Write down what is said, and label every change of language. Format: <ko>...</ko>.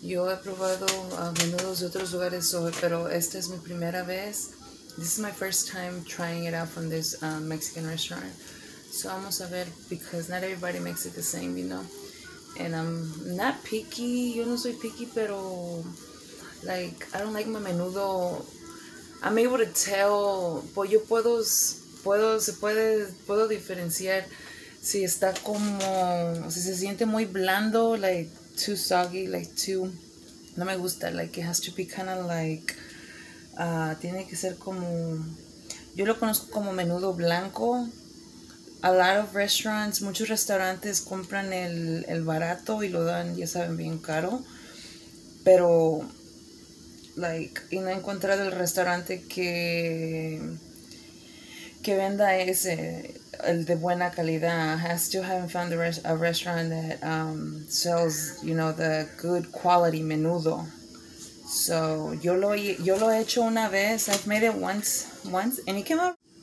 <es>Yo he probado menudos de otros lugares, pero esta es mi primera vez.</es> <en>This is my first time trying it out from this Mexican restaurant. So</en> <es>vamos a ver,</es> <en>because not everybody makes it the same, you know. And I'm not picky.</en> <es>Yo no soy picky, pero</es> <en>like, I don't like my menudo. I'm able to tell.</en> <es>Pues yo puedo diferenciar si está como, si se siente muy blando,</es> <en>like too soggy, like too,</en> <es>no me gusta.</es> <en>Like it has to be kind of like,</en> <es>tiene que ser como, yo lo conozco como menudo blanco.</es> <en>A lot of restaurants,</en> <es>muchos restaurantes compran el barato y lo dan, ya saben, bien caro. Pero, like, y no he encontrado el restaurante que venda ese, el de buena calidad.</es> <en>I still haven't found a restaurant that sells, you know, the good quality menudo. So,</en> <es>yo lo he hecho una vez.</es> <en>I've made it once, and it came out.</en>